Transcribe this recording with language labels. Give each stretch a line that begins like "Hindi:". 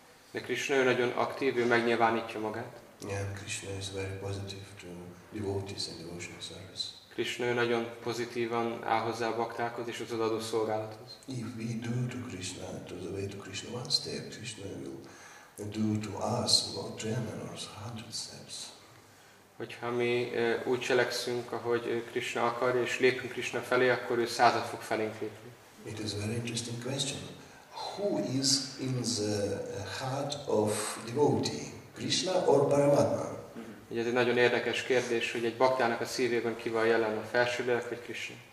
Hungarian: De Krishna nagyon aktív, ő megnyilvánítja magát.
English: Yeah, Krishna is very positive to devotees and devotional service.
Hungarian: Krishna nagyon pozitívan áll hozzá a baktákhoz és az odaadó szolgálathoz.
English: If we do to Krishna, to the way to Krishna, one step, Krishna will do to us about 10 or 100 steps.
Hungarian: Hogyha mi úgy cselekszünk, ahogy Krishna akar, és lépünk Krishna felé, akkor ő százat fog felénk lépni.
English: It is a very interesting question. Who is in the heart of devotee, Krishna or Paramatma?
Hungarian: Ez egy nagyon érdekes kérdés, hogy egy baktának a szívében ki van jelen, a felső lélek vagy Krishna?